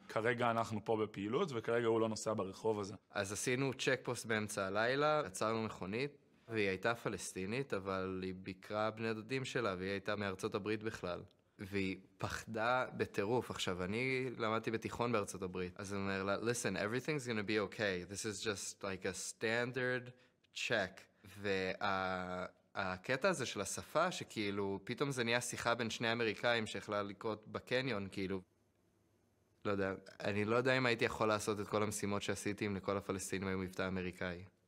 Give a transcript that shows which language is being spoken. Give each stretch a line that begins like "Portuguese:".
Hebrew: כרגע אנחנו פה בפעילות, וכרגע הוא לא נוסע ברחוב הזה. אז עשינו צ'ק פוסט באמצע הלילה, עצרנו מכונית, והיא הייתה פלסטינית, אבל היא ביקרה בני דודים שלה, והיא הייתה מארצות הברית בכלל. והיא פחדה בטירוף. עכשיו, אני למדתי בתיכון בארצות הברית.
English: אז אני אומר לה, listen, everything's gonna be okay. This is just like a standard check.
Hebrew: והקטע הזה של השפה, שכאילו, פתאום זה נהיה שיחה בין שני אמריקאים שיכולה לקרות בקניון, כאילו, לא יודע, אני לא יודע אם הייתי יכול לעשות את כל המשימות שעשיתי עם לכל הפלסטינים עם מבטא אמריקאי.